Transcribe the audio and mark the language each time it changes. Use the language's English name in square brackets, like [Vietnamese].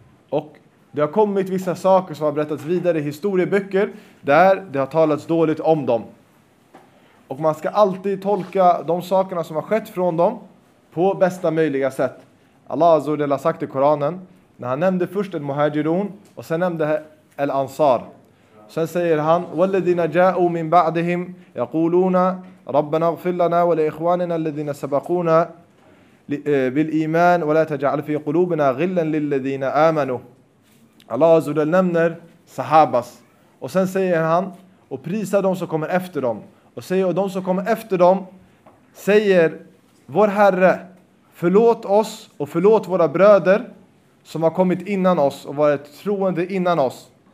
[Swedish] Och det har kommit vissa saker som har berättats vidare i historieböcker där det har talats dåligt om dem. Och man ska alltid tolka de sakerna som har skett från dem på bästa möjliga sätt. Allah azza wa jalla har sagt i Koranen, när han nämnde först en muhajirun och sen nämnde el ansar. Sen säger han, [Arabic] وَالَّذِينَ جَاءُوا مِنْ بَعْدِهِمْ يَقُولُونَ رَبَّنَا اغْفِرْ لَنَا وَلِإِخْوَانِنَا الَّذِينَ سَبَقُونَا بِالْإِيمَانِ وَلَا تَجْعَلْ فِي قُلُوبِنَا غِلًّا لِلَّذِينَ آمَنُوا. [Swedish] Allah azza wa jalla nämner sahabas. Och sen säger han, och prisa de som kommer efter dem. Och säger, och de som kommer efter dem säger, vår Herre, förlåt oss och förlåt våra bröder som har kommit innan oss och varit troende innan oss.